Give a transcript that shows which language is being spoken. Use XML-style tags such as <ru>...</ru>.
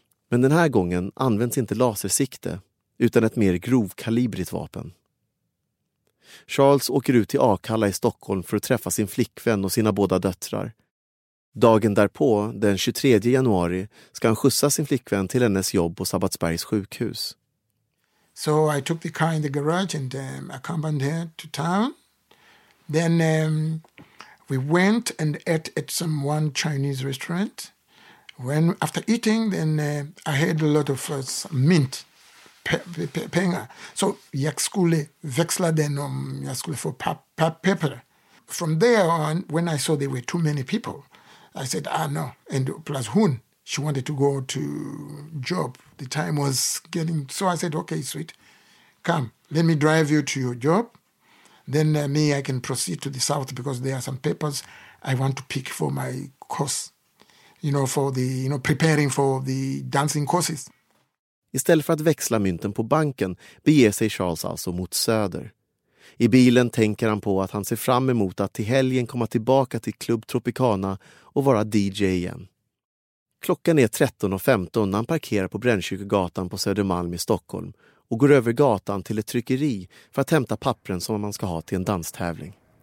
<sv>Men den här gången används inte lasersikte utan ett mer grovkalibrigt vapen. Charles åker ut till Akalla i Stockholm för att träffa sin flickvän och sina båda döttrar. Dagen därpå, den 23 januari, ska han skjutsa sin flickvän till hennes jobb på Sabbatsbergs sjukhus.</sv> <en>So I took the car in the garage and accompanied her to town. Then we went and ate at some one Chinese restaurant. When after eating, then I had a lot of mint.</en> <sv>Pengar. So jag skulle växla den om jag skulle få papper.</sv> <en>From there on, when I saw there were too many people, I said, ah, no. And plus</en> <sv>hon,</sv> <en>she wanted to go to job. The time was getting, so I said, okay, sweet, come, let me drive you to your job. Then me, I can proceed to the south because there are some papers I want to pick for my course, you know, for the, you know, preparing for the dancing courses.</en> <sv>Istället för att växla mynten på banken beger sig Charles alltså mot söder. I bilen tänker han på att han ser fram emot att till helgen komma tillbaka till Club Tropicana och vara DJ igen. Klockan är 13.15 när han parkerar på Brännkyrkogatan på Södermalm i Stockholm och går över gatan till ett tryckeri för att hämta pappren som man ska ha till en danstävling.</sv>